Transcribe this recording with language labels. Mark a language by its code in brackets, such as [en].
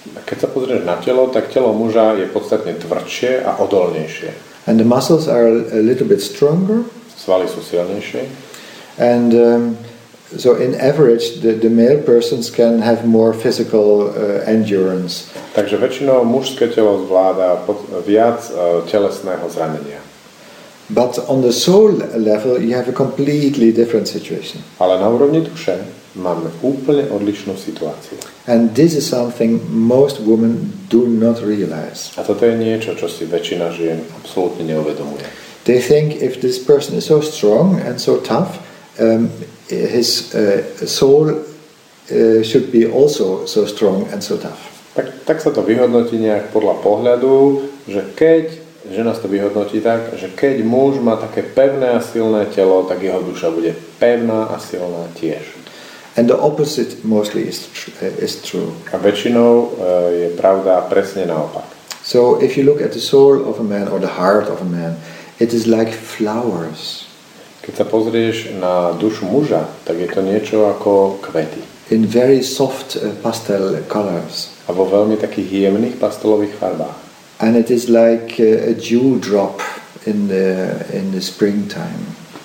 [sk] Keď sa pozrieš na telo, tak telo muža je podstatne tvrdšie a odolnejšie. [en] And the muscles are a little bit stronger. [sk] Svaly sú silnejšie. [en] And so in average the male persons can have more physical endurance. [sk] Takže väčšinou mužské telo zvláda viac telesného zranenia. [en] But on the soul level you have a completely different situation. [sk] Ale na úrovni duše máme úplne odlišnú situáciu. [en] And this is something most women do not realize. [sk] A toto je niečo, čo si väčšina žien absolútne neuvedomuje. [en] They think if this person is so strong and so tough, his soul should be also so strong and so tough. [sk] Tak sa to vyhodnotí nejak podľa pohľadu, že keď žena to vyhodnotí tak, že keď muž má také pevné a silné telo, tak jeho duša bude pevná a silná tiež. [en] And the opposite mostly is true. [sk] A väčšinou je pravda presne naopak. [en] So if you look at the soul of a man or the heart of a man, it is like flowers. [sk] Keď sa pozrieš na dušu muža, tak je to niečo ako kvety. [en] In very soft pastel colors. [sk] A vo veľmi takých jemných pastelových farbách. [en] And it is like a dew drop in the springtime.